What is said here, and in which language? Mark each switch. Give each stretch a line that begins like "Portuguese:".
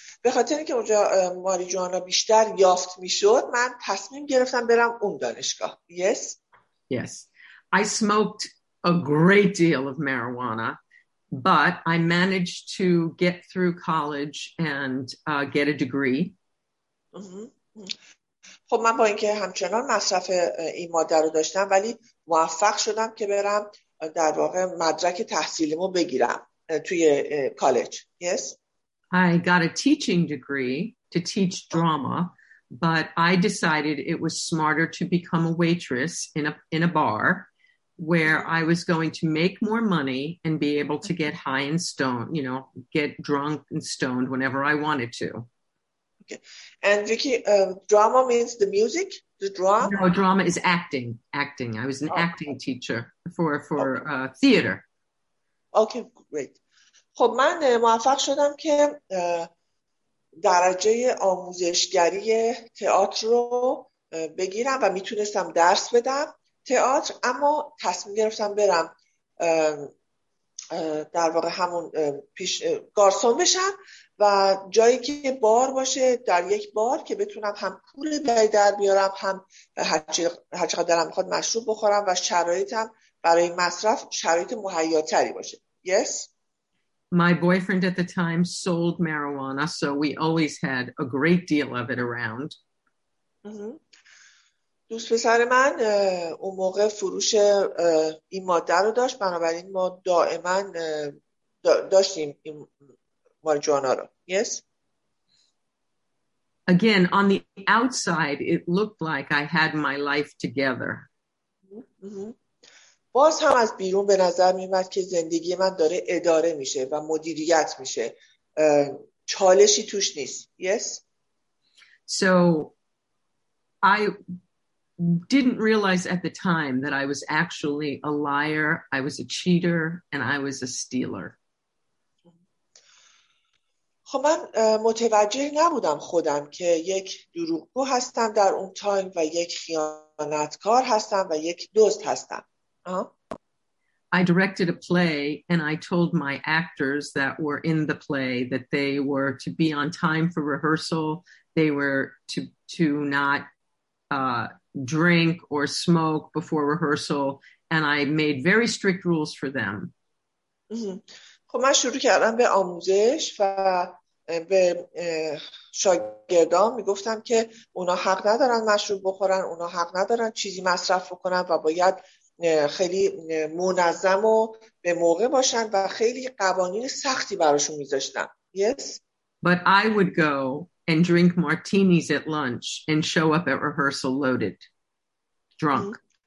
Persian: به خاطر اینکه اونجا ماریجوانا بیشتر یافت میشد من تصمیم گرفتم برم اون دانشگاه.
English: Yes. Yes. I smoked a great deal of marijuana, but I managed to get through college and get a degree.
Persian: خب من با اینکه همچنان مصرف این ماده رو داشتم ولی موفق شدم که برم در واقع مدرک تحصیلیمو بگیرم توی کالج.
English: Yes. I got a teaching degree to teach drama, but I decided it was smarter to become a waitress in a bar where I was going to make more money and be able to get high and stoned, you know, get drunk and stoned whenever I wanted to. Okay. And Vicky, drama means the music, the drama? No, drama is acting, acting. I was an acting teacher for theater. Okay, great.
Persian: خب من موفق شدم که درجه آموزشگری تئاتر رو بگیرم و میتونستم درس بدم تئاتر اما تصمیم گرفتم برم در واقع همون پیش گارسون بشم و جایی که بار باشه در یک بار که بتونم هم پول در بیارم هم هرچقدر دارم میخواد مشروب بخورم و شرایطم برای مصرف شرایط مهیاتری باشه.
English: Yes. My boyfriend at the time sold marijuana, so we always had a great deal of it around.
Persian: دوست پسر من اون موقع فروش این ماده رو داشت، بنابراین ما دائما داشتیم این ماریجوانا رو.
English: Yes. Again, on the outside, it looked like I had my life together.
Persian: باز هم از بیرون به نظر میومد که زندگی من داره اداره میشه و مدیریت میشه. چالشی توش نیست.
English: Yes. So I didn't realize at the time that I was actually a liar, I was a cheater and I was a stealer.
Persian: خب من متوجه نبودم خودم که یک دروغگو هستم در اون تایم و یک خیانتکار هستم و یک دزد هستم.
English: I directed a play and I told my actors that were in the play that they were to be on time for rehearsal, they were to not drink or smoke before rehearsal, and I made very strict rules for them.
Persian: خب من شروع کردم به آموزش و به شاگردان میگفتم که اونا حق ندارن مشروب بخورن، اونا حق ندارن چیزی مصرف بکنن و باید خیلی منظم و به موقع باشن و خیلی قوانین سختی براشون میذاشتن.
English: Yes. But I would go and drink martinis at lunch and show up at rehearsal loaded, drunk.